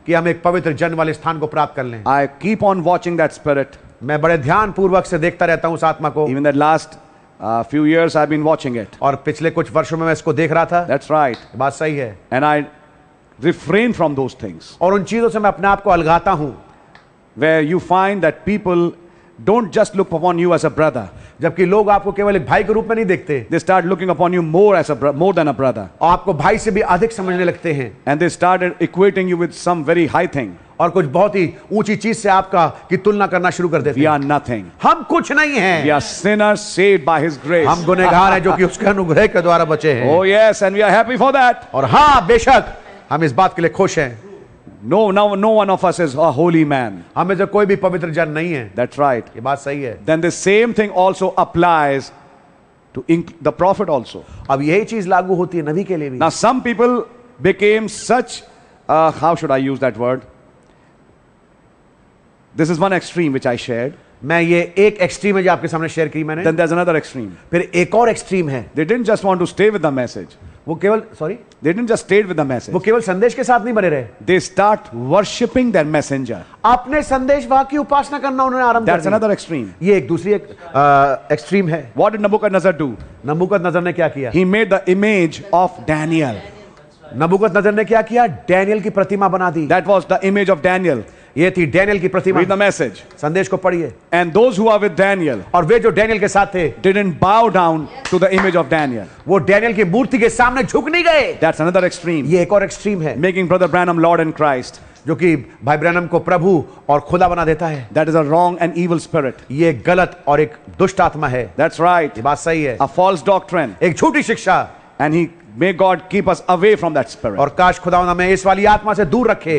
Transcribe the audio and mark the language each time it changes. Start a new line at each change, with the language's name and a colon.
Hindi: कि हम एक पवित्र जन वाले स्थान को प्राप्त कर लें.
English: I keep on watching that spirit.
Hindi: मैं बड़े ध्यान पूर्वक से देखता रहता हूं उस आत्मा को.
English: Even the last few years I been watching it.
Hindi: और पिछले कुछ वर्षों में मैं इसको देख रहा था.
English: That's right.
Hindi: बात सही है.
English: And I refrain from those things.
Hindi: और उन चीजों से मैं अपने आप को अलगाता हूं.
English: Where you find that people don't just look upon you as a brother.
Hindi: जबकि लोग आपको केवल एक भाई के रूप में नहीं देखते.
English: They start looking upon you more as a more than a brother.
Hindi: और आपको भाई से भी अधिक समझने लगते हैं.
English: And they started equating you with some very high thing.
Hindi: और कुछ बहुत ही ऊंची चीज से आपका की तुलना करना शुरू कर देते हैं.
English: We are nothing.
Hindi: हम कुछ नहीं हैं.
English: We are sinners saved by His grace.
Hindi: हम गुनेगार हैं जो कि उसके अनुग्रह के द्वारा बचे हैं.
English: Oh yes, and we are happy for that.
Hindi: और हाँ, बेशक हम इस बात के लिए खुश हैं.
English: No, now no one of us is a holy man.
Hindi: हमें से कोई भी पवित्र जन नहीं है.
English: That's right.
Hindi: ये बात सही है.
English: Then the same thing also applies to the prophet also.
Hindi: अब यही चीज लागू होती है नबी के लिए भी.
English: Now some people became such, how should I use that word? This is one extreme which I shared.
Hindi: मैं ये एक एक्सट्रीम है जो आपके सामने शेयर की मैंने.
English: Then there's another extreme.
Hindi: फिर एक और एक्सट्रीम है.
English: They didn't just want to stay with the message.
Hindi: वो केवल sorry
English: they didn't just stayed with the message.
Hindi: वो केवल संदेश के साथ नहीं बने रहे.
English: They start worshiping their messenger.
Hindi: अपने संदेशवाहक की उपासना करना उन्होंने आरंभ कर दिया.
English: That's another extreme.
Hindi: ये एक दूसरी एक एक्सट्रीम है.
English: What did Nebuchadnezzar do?
Hindi: Nebuchadnezzar ने क्या किया?
English: He made the image of Daniel.
Hindi: Nebuchadnezzar ने क्या किया? डैनियल की प्रतिमा बना दी.
English: That was the image of Daniel.
Hindi: ये थी डैनियल की प्रतिमा.
English: Read the message.
Hindi: संदेश को पढ़िए.
English: And those who are with Daniel.
Hindi: और वे जो डैनियल के साथ थे.
English: Didn't bow down to the image of Daniel.
Hindi: वो डैनियल की मूर्ति के सामने झुक नहीं गए.
English: That's another extreme.
Hindi: ये एक और extreme है.
English: Making Brother Branham Lord and Christ.
Hindi: जो कि भाई ब्रैनम को प्रभु और खुदा बना देता है.
English: That is a wrong and evil spirit.
Hindi: ये गलत और एक दुष्ट आत्मा है.
English: That's right.
Hindi: ये बात सही है.
English: A false doctrine.
Hindi: एक झूठी शिक्षा.
English: And he may God keep us away from that spirit.
Hindi: और काश खुदा हमें इस वाली आत्मा से दूर रखे.